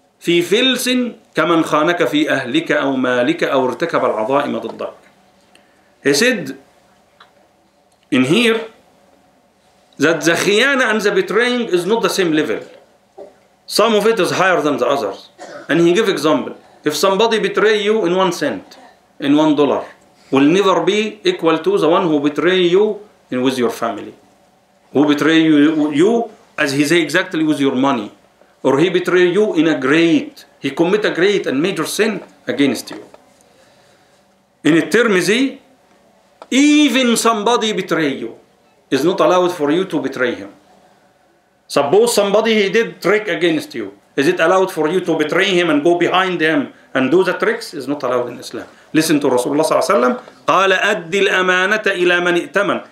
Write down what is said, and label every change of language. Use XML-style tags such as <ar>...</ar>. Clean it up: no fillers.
<ar>في فلس كمن خانك في أهلك أو مالك أو ارتكب العظائم ضدك.</ar> <en>He said, in here, that the خيانة and the betraying is not the same level. Some of it is higher than the others. And he gave example. If somebody betray you in 1 cent, in $1, will never be equal to the one who betray you in with your family. Who betray you as he say exactly with your money. Or he betray you in a great, he commit a great and major sin against you. In Tirmizi, even somebody betray you is not allowed for you to betray him. Suppose somebody he did trick against you. Is it allowed for you to betray him and go behind him and do the tricks? It's not allowed in Islam. Listen to Rasulullah صلى الله عليه وسلم.</en> <ar>قال أدي الأمانة إلى من ائتمن.</ar>